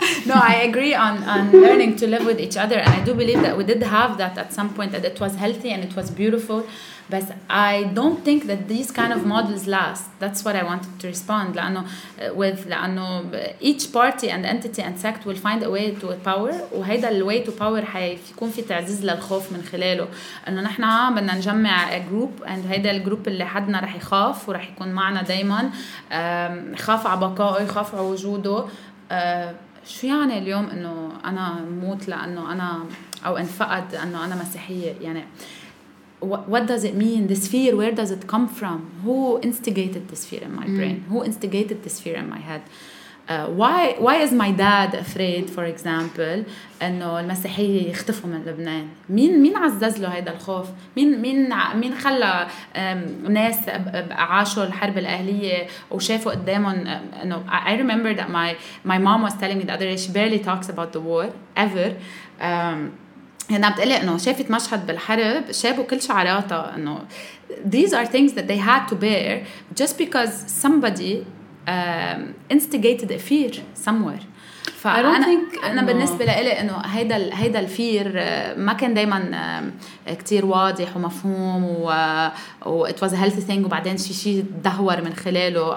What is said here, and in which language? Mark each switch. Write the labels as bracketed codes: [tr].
[en] No, I agree on learning to live with each other. And I do believe that we did have that at some point, that it was healthy and it was beautiful. But I don't think that these kind of models last. That's what I wanted to respond. [ar] لأنه [en] each party and entity and sect will find a way to power. [ar] وهيدا ال [en] way to power [ar] حيكون في تعزيز للخوف من خلاله. أنه نحنا بدنا نجمع [en] a group. And [ar] هيدا الجروب اللي حدنا رح يخاف ورح يكون معنا دايما. خاف على بقائه, خاف على وجوده. شو يعني اليوم انه انا موت لانه انا او انفقد انه انا مسيحيه؟ يعني [en] what does it mean, this fear, where does it come from, who instigated this fear in my brain, who instigated this fear in my head, why is my dad afraid, for example, [ar] انه المسيحيه يختفوا من لبنان؟ مين عزز له هذا الخوف؟ مين خلى ناس عاشوا الحرب الاهليه وشافوا قدامهم انه [en] I remember that my mom was telling me the other day, she barely talks about the war ever. [ar] هنا بتقلي انه شافت مشهد بالحرب شابوا كل شعراتها. انه [en] these are things that they had to bear just because somebody instigated a fear somewhere. [ar] فأنا [en] I don't think [ar] انا بالنسبة لإلي انه هيدا الفير ما كان دايما كتير واضح ومفهوم و [en] it was a healthy thing [ar] وبعدين شي دهور من خلاله.